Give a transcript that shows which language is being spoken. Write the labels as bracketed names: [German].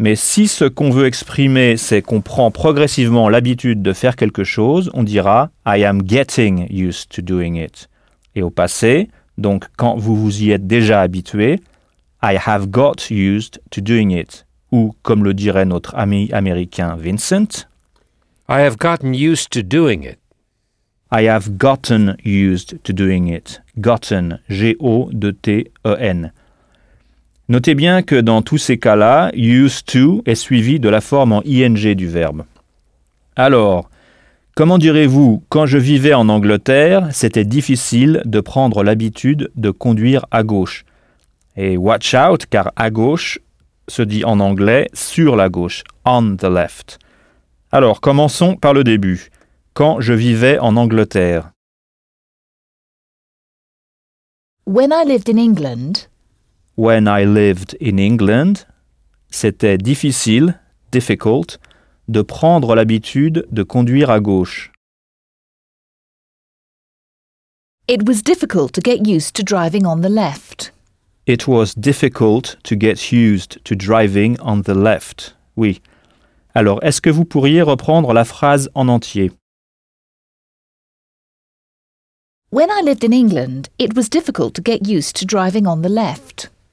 [French] Mais si ce qu'on veut exprimer, c'est qu'on prend progressivement l'habitude de faire quelque chose, on dira « [English] I am getting used to doing it ». [French] Et au passé, donc quand vous vous y êtes déjà habitué, « [English] I have got used to doing it ». [French] Ou comme le dirait notre ami américain Vincent, [English] « I have gotten used to doing it ». I have gotten used to doing it. Gotten, G-O-T-T-E-N. [French] Notez bien que dans tous ces cas-là, used to est suivi de la forme en ing du verbe. Alors, comment direz-vous, quand je vivais en Angleterre, c'était difficile de prendre l'habitude de conduire à gauche. Et [English] watch out, [French] car à gauche se dit en anglais sur la gauche, [English] on the left. [French] Alors, commençons par le début. Quand je vivais en Angleterre. [English] When I lived in England. When I lived in England. [French] C'était difficile, difficult, de prendre l'habitude de conduire à gauche. [English] It was difficult to get used to driving on the left. It was difficult to get used to driving on the left. [French] Oui. Alors, est-ce que vous pourriez reprendre la phrase en entier? [English] When I lived in England, it was difficult to get used to driving on the left.